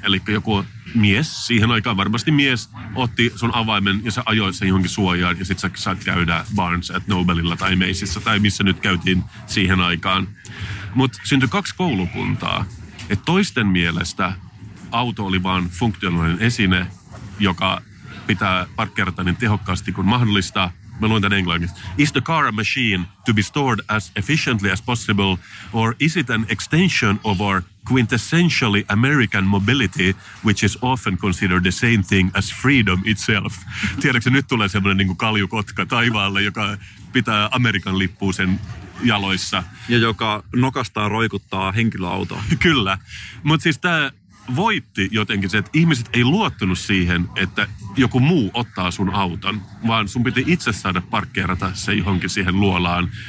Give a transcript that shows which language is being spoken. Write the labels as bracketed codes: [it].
[fi] Eli joku mies, siihen aikaan varmasti mies, otti sun avaimen ja sä ajoit sen johonkin suojaan ja sit sä saat käydä Barnes at Nobelilla tai Macyssa tai missä nyt käytiin siihen aikaan. Mutta syntyi kaksi koulukuntaa, että toisten mielestä auto oli vaan funktionaalinen esine, joka pitää parkkeerata niin tehokkaasti kuin mahdollista. Mä luin tämän englanniksi. [en] Is the car a machine to be stored as efficiently as possible, or is it an extension of our quintessentially American mobility, which is often considered the same thing as freedom itself? [fi] Tiedätkö, nyt tulee semmoinen niin kuin kaljukotka taivaalle, joka pitää Amerikan lippua sen jaloissa. Ja joka nokastaa roikuttaa henkilöautoa. Kyllä. Mutta siis tämä voitti jotenkin se, että ihmiset ei luottunut siihen, että joku muu ottaa sun auton, vaan sun piti itse saada parkkeerata se johonkin siihen luolaan.